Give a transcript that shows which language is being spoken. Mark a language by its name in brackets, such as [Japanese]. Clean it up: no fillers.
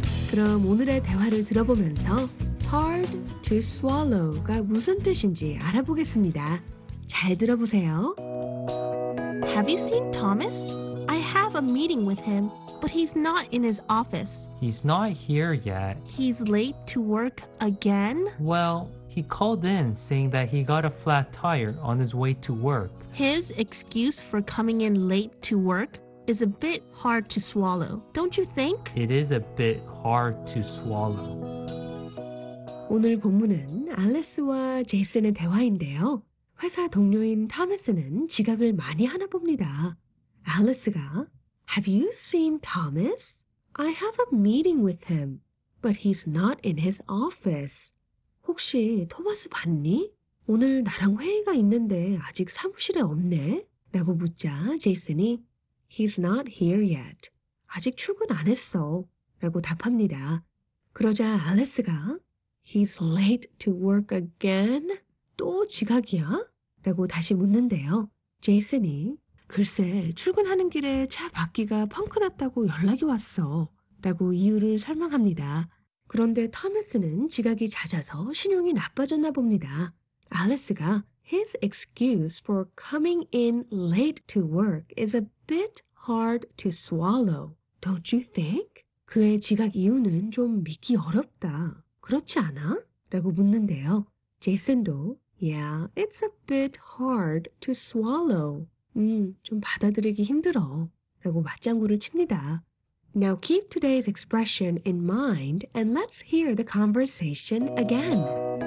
[Korean] 그럼 오늘의 대화를 들어보면서 hard to swallow가 무슨 뜻인지 알아보겠습니다. 잘 들어보세요. [English] Have you seen Thomas? I have a meeting with him, but he's not in his office. He's not here yet. He's late to work again? Well, he called in saying that he got a flat tire on his way to work. His excuse for coming in late to work is a bit hard to swallow, don't you think? It is a bit hard to swallow. [Korean] 오늘 본문은 알레스와 제이슨의 대화인데요. 회사 동료인 토마스는 지각을 많이 하나 봅니다. [English] 알레스가 Have you seen Thomas? I have a meeting with him, but he's not in his office. [Korean] 혹시 토마스 봤니? 오늘 나랑 회의가 있는데 아직 사무실에 없네? 라고 묻자 [English] 제이슨이 He's not here yet. [Korean] 아직 출근 안 했어. 라고 답합니다. 그러자 [English] 알레스가 He's late to work again? [Korean] 또 지각이야? 라고 다시 묻는데요. 제이슨이 글쎄 출근하는 길에 차 바퀴가 펑크 났다고 연락이 왔어. 라고 이유를 설명합니다. 그런데 토마스는 지각이 잦아서 신용이 나빠졌나 봅니다. [English] 알레스가 His excuse for coming in late to work is a bit hard to swallow, don't you think? [Korean] 그의 지각 이유는 좀 믿기 어렵다. 그렇지 않아? 라고 묻는데요. [English] 제이슨도 Yeah, it's a bit hard to swallow. [Korean] 좀 받아들이기 힘들어. 라고 맞장구를 칩니다. [English] Now keep today's expression in mind and let's hear the conversation again.